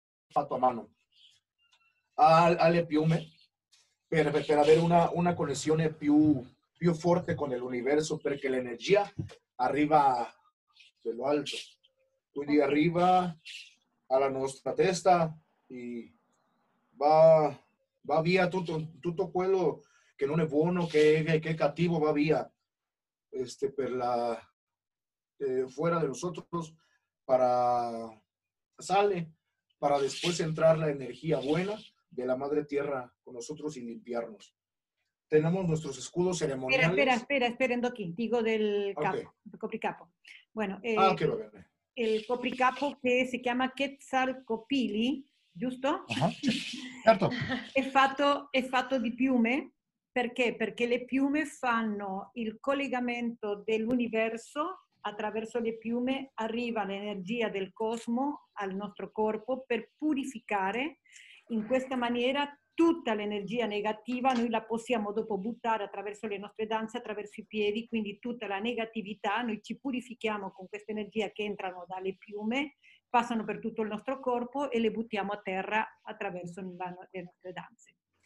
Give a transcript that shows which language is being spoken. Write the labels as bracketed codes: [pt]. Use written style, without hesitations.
[it] Fatto a mano alle piume per avere una connessione più forte con l'universo, perché l'energia arriva dello alto, quindi arriva alla nostra testa e va via tutto quello che non è buono, che è cattivo, va via per la [es] fuera de nosotros, para sale para después entrar la energía buena de la Madre Tierra con nosotros y limpiarnos. Tenemos nuestros escudos ceremoniales. Espera, Endoki, digo del capo, okay. El copricapo. Bueno, quiero ver. El copricapo que se llama Quetzalcopili, ¿justo? Ajá. Certo. [it] Es fatto di piume. Perché? Perché le piume fanno il collegamento dell'universo. Attraverso le piume arriva l'energia del cosmo al nostro corpo per purificare. In questa maniera tutta l'energia negativa noi la possiamo dopo buttare attraverso le nostre danze, attraverso i piedi, quindi tutta la negatività noi ci purifichiamo con questa energia che entrano dalle piume, passano per tutto il nostro corpo e le buttiamo a terra attraverso le nostre danze.